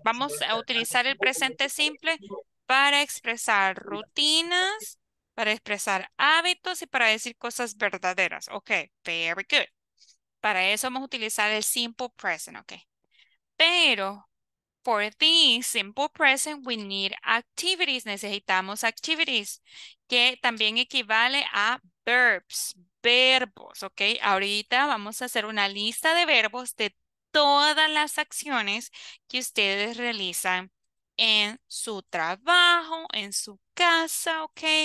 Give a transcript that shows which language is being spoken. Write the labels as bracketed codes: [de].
[es] Vamos a utilizar el presente simple para expresar rutinas, para expresar hábitos y para decir cosas verdaderas. [en] Okay, very good. [es] Para eso vamos a utilizar el simple present, okay? [en] Pero for the simple present, we need activities. [es] Necesitamos activities, que también equivale a verbs, verbos, ¿ok? Ahorita vamos a hacer una lista de verbos de todas las acciones que ustedes realizan en su trabajo, en su casa, ¿ok?